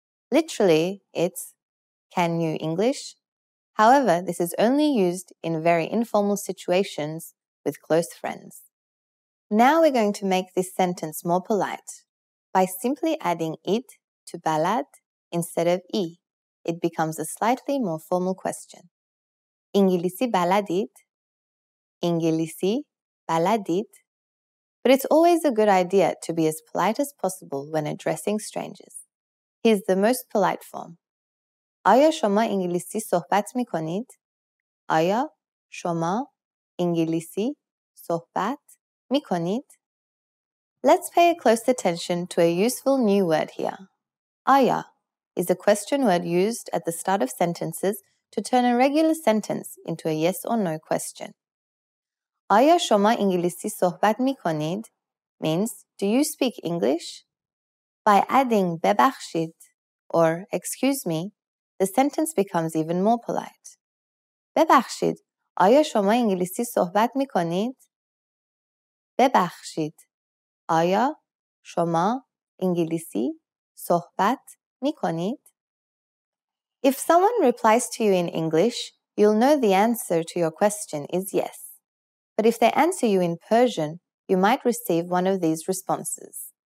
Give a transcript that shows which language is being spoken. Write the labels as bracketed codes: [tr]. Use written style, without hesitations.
[en] Literally, it's can you English? However, this is only used in very informal situations with close friends. Now we're going to make this sentence more polite by simply adding it to balad instead of i. It becomes a slightly more formal question. [fa] İngilizce baladit. İngilizce بلدید؟ [en] But it's always a good idea to be as polite as possible when addressing strangers. Here's the most polite form. [fa] آیا شما انگلیسی صحبت می کنید؟ [en] آیا شما انگلیسی صحبت می کنید؟ Let's pay a close attention to a useful new word here. آیا is a question word used at the start of sentences to turn a regular sentence into a yes or no question. [fa] آیا شما انگلیسی صحبت می کنید [en] means do you speak English? By adding ببخشید or excuse me, the sentence becomes even more polite. [fa] ببخشید آیا شما انگلیسی صحبت می کنید؟ [en] ببخشید آیا شما انگلیسی صحبت می کنید؟ If someone replies to you in English, you'll know the answer to your question is yes. But if they answer you in Persian, you might receive one of these responses.